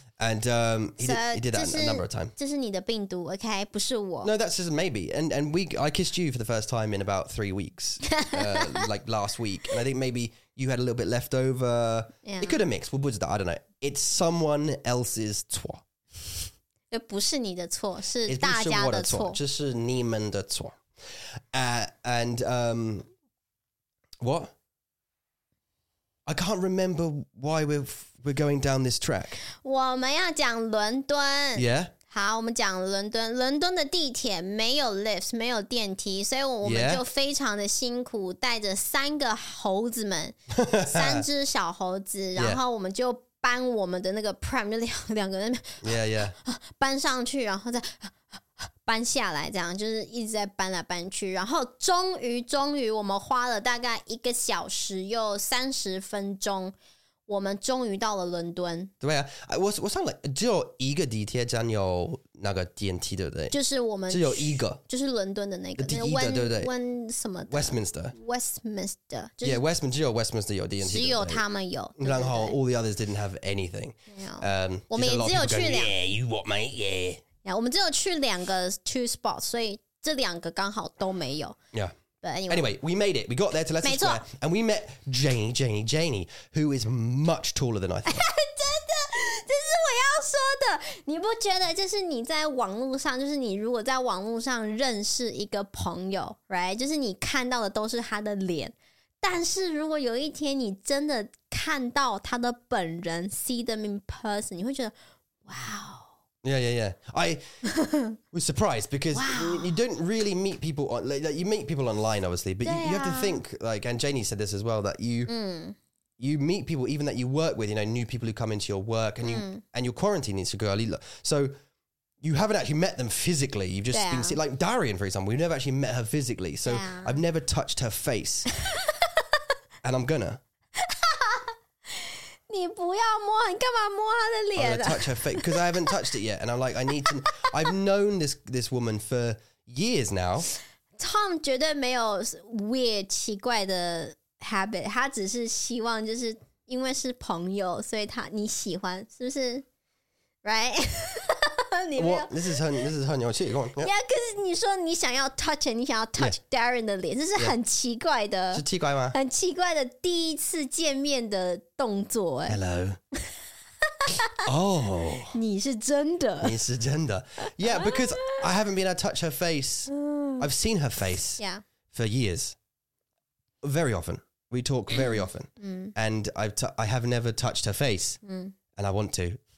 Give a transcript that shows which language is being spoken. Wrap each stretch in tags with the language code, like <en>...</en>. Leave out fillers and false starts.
<en>And he did that a number of times.</en> <zh>这是你的病毒, okay? 不是我。</zh> <en>No, that's just maybe. And I kissed you for the first time in about 3 weeks, like last week. And I think maybe you had a little bit left over. Yeah. It could have mixed.</en> <zh>我不知道,</zh> <en>I don't know. It's someone else's 错。</en> <zh>这不是你的错,是大家的错。</zh> <en>It's</en> <zh>我的错,这是你们的错。</zh> <en>And what? I can't remember why we're going down this track.</en> <zh>我们要讲伦敦。</zh> <en>Yeah.</en> <zh>好，我们讲伦敦。伦敦的地铁没有 lifts, 没有电梯，所以我们就非常的辛苦，带着三个猴子们，三只小猴子，然后我们就搬我们的那个 pram, 就两个人</zh> <en>yeah, yeah.</en> <zh>搬上去，然后再搬下来，这样就是一直在搬来搬去，然后终于我们花了大概一个小时又三十分钟，我们终于到了伦敦。对啊，我上来只有一个地铁站有那个电梯，对不对？就是我们只有一个，就是伦敦的那个第一个，那个、对不对？温什么的</zh> <en>Westminster、</en> <zh>就是、 Yeah, Westminster 只有 Westminster 有电梯，只有他们有，</zh> <en>对对，然后 all the others didn't have anything。</en> <zh>我们也只有去两</zh> <en>Yeah, you what mate, yeah.</en> <zh>我们只有去两个</zh> <en>two spots,</en> <zh>所以这两个刚好都没有。</zh> <en>Yeah. But anyway. Anyway, we made it. We got there to Leicester Square. And we met Janie, who is much taller than I thought.</en> <zh>真的，这是我要说的。你不觉得就是你在网络上，就是你如果在网络上认识一个朋友， right? 就是你看到的都是他的脸。但是如果有一天你真的看到他的本人</zh> <en>see them in person,</en> <zh>你会觉得 wow,</zh> <en>Yeah, yeah, yeah. I was surprised because you don't really meet people on, like, you meet people online, obviously, but you have to think, like, and Janie said this as well, that you meet people even that you work with, you know, new people who come into your work and your quarantine is to go. So you haven't actually met them physically. You've just been seeing, like Darian, for example, we've never actually met her physically. So I've never touched her face. And I'm gonna.</en> <zh>你不要摸，你干嘛摸她的脸啊？</zh> <en>I'm gonna touch her face because I haven't touched it yet, and I'm like, I need to. I've known this woman for years now.</en> <zh>Tom 绝对没有 weird 奇怪的 habit, 他只是希望就是因为是朋友，所以他你喜欢是不是 ？Right? 你没有</zh> <en>well, this is her</en> <zh>牛气</zh> <en>，Go on. Yeah, because</en> <zh>你说你想要 touch, 你想要 touch Darren 的脸，这是很奇怪的，是奇怪吗？很奇怪的第一次见面的动作，哎</zh> <en>，Hello. Oh,</en> <zh>你是真的，你是真的</zh> <en>，Yeah, because I haven't been able to touch her face. I've seen her face, for years, very often. We talk very often, and I have never touched her face, and I want to.</en>